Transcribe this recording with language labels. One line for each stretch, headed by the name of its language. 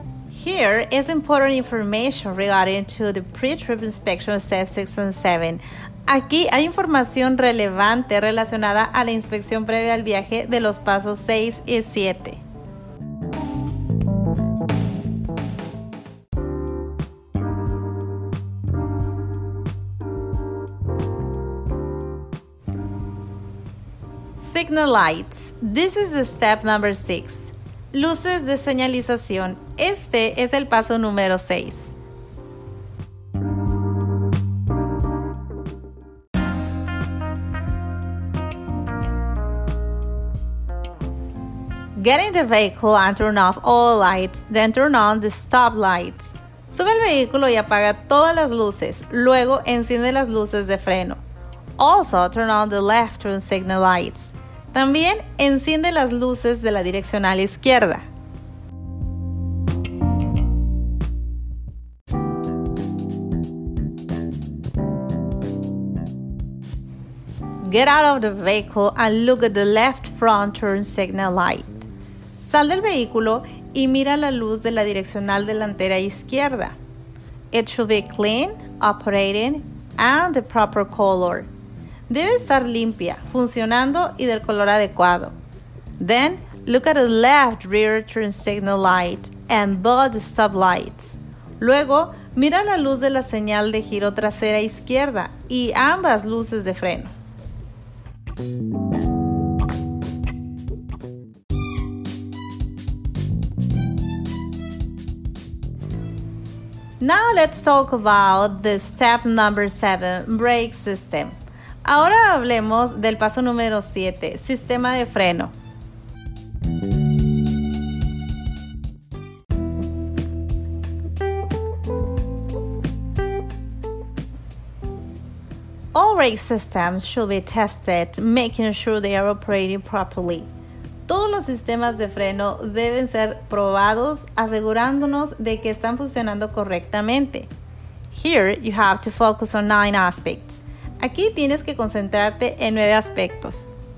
English: Here is important information regarding to the pre-trip inspection step 6 and 7.
Spanish: Aquí hay información relevante relacionada a la inspección previa al viaje de los pasos 6 y 7.
English: Signal lights. This is the step number 6.
Spanish: Luces de señalización. Este es el paso número 6.
English: Getting the vehicle and turn off all lights, then turn on the stop lights.
Spanish: Sube el vehículo y apaga todas las luces, luego enciende las luces de freno.
English: Also, turn on the left turn signal lights.
Spanish: También enciende las luces de la direccional izquierda.
English: Get out of the vehicle and look at the left front turn signal light.
Spanish: Sal del vehículo y mira la luz de la direccional delantera izquierda.
English: It should be clean, operating, and the proper color.
Spanish: Debe estar limpia, funcionando y del color adecuado.
English: Then, look at the left rear turn signal light and both stop lights.
Spanish: Luego, mira la luz de la señal de giro trasera izquierda y ambas luces de freno.
English: Now let's talk about the step number 7, brake system.
Spanish: Ahora hablemos del paso número 7, sistema de freno.
English: All brake systems should be tested, making sure they are operating properly.
Spanish: Todos los sistemas de freno deben ser probados, asegurándonos de que están funcionando correctamente.
English: Here you have to focus on 9 aspects.
Spanish: Aquí tienes que concentrarte en 9 aspectos.